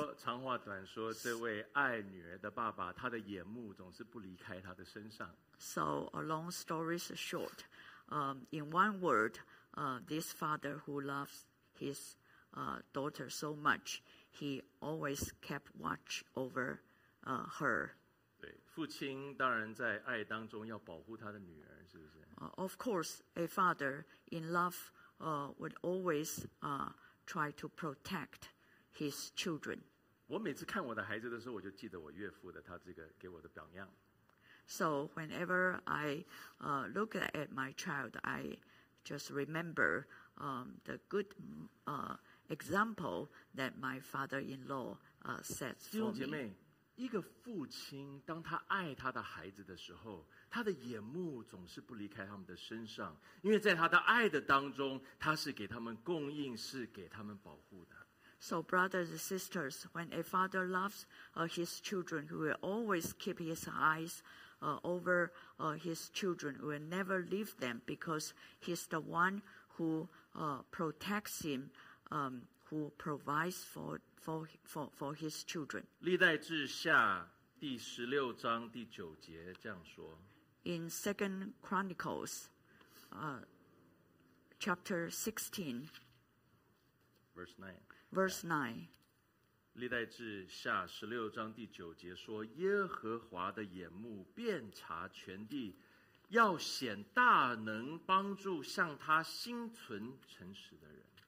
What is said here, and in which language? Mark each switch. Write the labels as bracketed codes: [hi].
[zh] 长话短说，这位爱女儿的爸爸，他的眼目总是不离开他的身上。 [en] So a long story is short. In one word, this father who loves his daughter so much, he always kept watch over her. [zh] 对，父亲当然在爱当中要保护他的女儿，是不是？ [en] Of course, a father in love would always try to protect his children. [zh] 我每次看我的孩子的时候，我就记得我岳父的他这个给我的榜样。 [en] So whenever I look at my child, I just remember the good example that my father-in-law sets for me. [zh] 弟兄姐妹，一个父亲当他爱他的孩子的时候，他的眼目总是不离开他们的身上，因为在他的爱的当中，他是给他们供应，是给他们保护的。 [en] So brothers and sisters, when a father loves his children, he will always keep his eyes over his children, will never leave them, because he's the one who protects him, who provides for his children. [zh] 历代志下第十六章第九节这样说。 [en] In Second Chronicles, chapter 16, verse 9. Verse 9. [zh] 历代志下十六章第九节说，耶和华的眼目遍察全地，要显大能帮助向他心存诚实的人。